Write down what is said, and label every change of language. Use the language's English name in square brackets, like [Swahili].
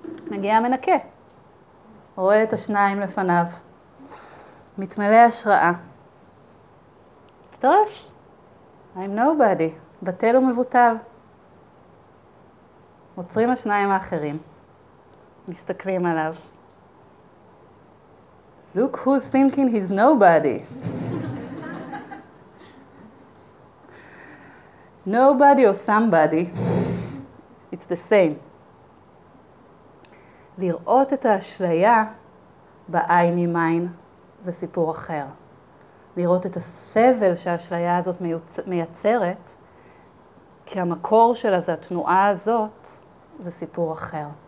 [Hebrew] מגיע המנקה, רואה את השניים לפניו, מתמלא השראה, מצטרף, [English] I'm nobody, [Hebrew] בטל ומבוטל. עוצרים השניים האחרים, מסתכלים עליו. [English] Look who's thinking he's nobody. Nobody or somebody, it's the same. [Hebrew] לראות את האשליה בעין ממין זה סיפור אחר. לראות את הסבל שהאשליה הזאת מייצרת, כי המקור שלה זה התנועה הזאת, זה סיפור אחר.